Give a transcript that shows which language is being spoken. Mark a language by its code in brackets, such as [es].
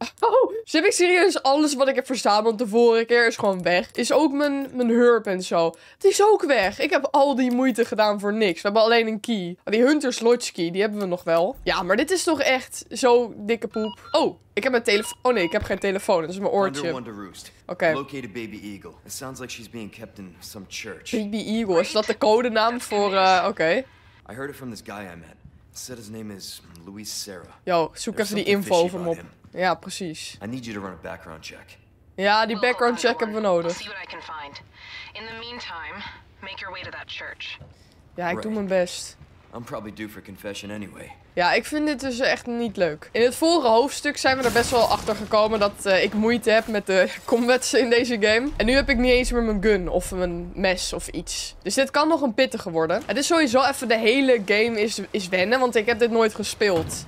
[nl] Oh, dus heb ik serieus alles wat ik heb verzameld de vorige keer is gewoon weg. Is ook mijn hurp en zo. Het is ook weg. Ik heb al die moeite gedaan voor niks. We hebben alleen een key. Die Hunter's Lodge key, die hebben we nog wel. Ja, maar dit is toch echt zo dikke poep. Oh, ik heb mijn telefoon. Oh nee, ik heb geen telefoon. Dat is mijn oortje. Oké. [en] Located baby eagle. It sounds like she's being kept in some church. [nl] Baby eagle, is dat de codenaam voor... Oké. [en] I heard it from this guy I met. Said his name is Luis Serra. [nl] Yo, zoek even die info over hem op. Ja, precies. [en] I need you to run a background check. [nl] Ja, die background check hebben we nodig. [en] See what I can find. In the meantime, make your way to that church. [nl] Ja, ik doe mijn best. [en] I'm probably due for confession anyway. [nl] Ja, ik vind dit dus echt niet leuk. In het vorige hoofdstuk zijn we er best wel achter gekomen dat ik moeite heb met de combats in deze game. En nu heb ik niet eens meer mijn gun of mijn mes of iets. Dus dit kan nog een pittige worden. Het is sowieso even de hele game is wennen, want ik heb dit nooit gespeeld.